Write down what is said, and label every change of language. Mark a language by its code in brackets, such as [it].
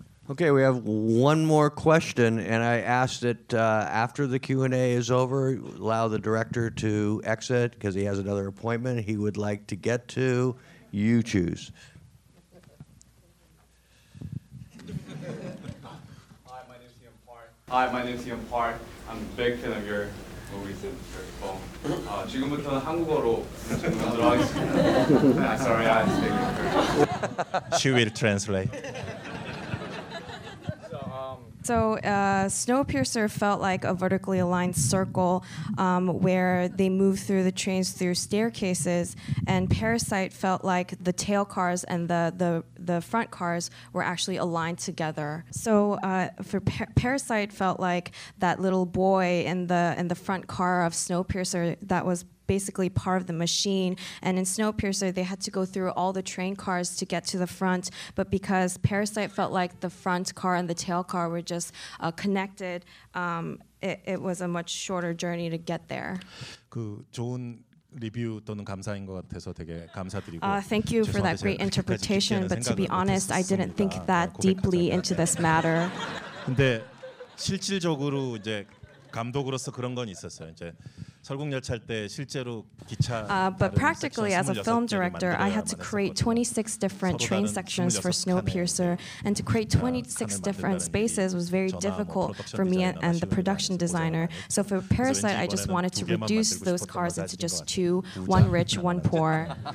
[en] Okay, we have one more question, and I ask that after the Q&A is over, allow the director to exit because he has another appointment he would like to get to. You choose. Hi, my name is Ian Park. I'm a big fan of your movies and your film. [ko] 지금부터는 한국어로 질문하도록 하겠습니다. [en] Sorry, I speak English. She will translate. So Snowpiercer felt like a vertically aligned circle where they move through the trains through staircases, and Parasite felt like the tail cars and the front cars were actually aligned together. So Parasite felt like that little boy in the front car of Snowpiercer that was basically part of the machine, and in Snowpiercer they had to go through all the train cars to get to the front, but because Parasite felt like the front car and the tail car were just connected, it was a much shorter journey to get there. [ko] 그 좋은 리뷰 또는 감사인 것 같아서 되게 감사드리고 [en] Thank you for that great interpretation, but to be honest, I didn't think that deeply into this matter. [ko] 근데 실질적으로 이제 감독으로서 그런 건 있었어요. 이제 설국열차 때 실제로 기차 [en] but practically as a film director I had to create 26 different train sections for Snowpiercer and to create 26 different spaces was very difficult for me and the production designer. So for Parasite I just wanted to reduce those cars into just two, one rich, one poor.